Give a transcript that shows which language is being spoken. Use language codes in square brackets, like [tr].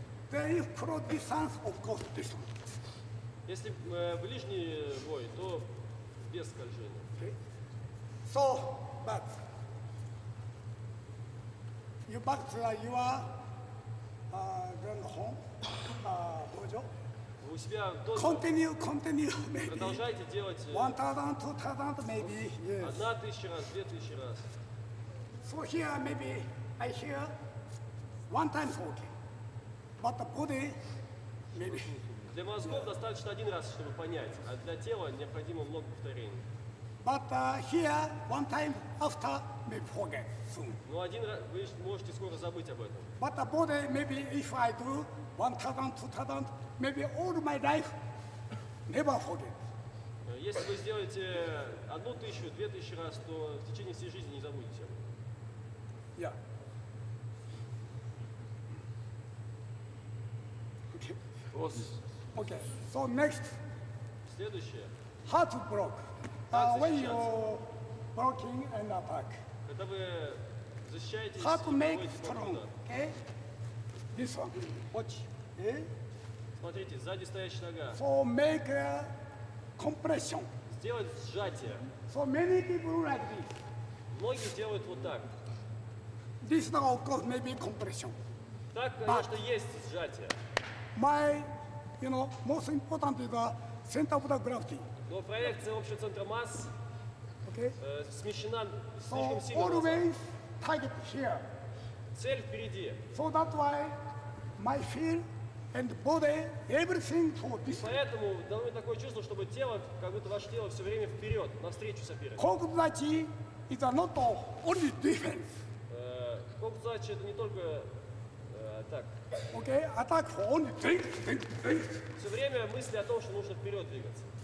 [en] Then if cross distance, of course, this one. [ru] Если ближний бой, то без скольжения. [en] So, but you back to you are going home, dojo. [ru] У себя тоже [en] continue, [ru] продолжайте делать [en] 1000, 2000, maybe, yes. [ru] 1000 раз, 2000 раз. [en] So here maybe I hear one time talking, but the body maybe. [ru] Для мозгов yeah. достаточно один раз, чтобы понять, а для тела необходимо много повторений. [en] But here one time after maybe forget soon. [ru] Но один раз вы можете скоро забыть об этом. [en] But the body maybe if I do 1000, 2000. Maybe all my life never forget. [ru] Если вы сделаете 1000, 2000 раз, то в течение всей жизни не забудете. [en] Yeah. Okay. Okay. So next. [ru] Следующее. [en] How to block? When you blocking and attack. [ru] Когда вы защищаетесь. [en] How to make strong? Okay. This one. Watch. Okay. [ru] Смотрите, сзади стоящая нога. [en] So make a compression. [ru] Сделать сжатие. [en] So many people like this. [ru] Многие делают вот так. [en] This now of course may be compression. [ru] Так, конечно, есть сжатие. [en] My, you know, most important is the center of the gravity. [ru] Но проекция общего центра масс смещена слишком [en] сильно. So always target here. [ru] Цель впереди. [en] So that's why my feel and body, everything for this. [ru] Поэтому дало мне такое чувство, чтобы тело, как будто ваше тело все время вперед, навстречу соперника. [en] Кокудзачи is not only defense. [ru] Кокудзачи это не только атак. [en] Okay, attack for only think. [ru] Все время мысли о том, что нужно вперед двигаться.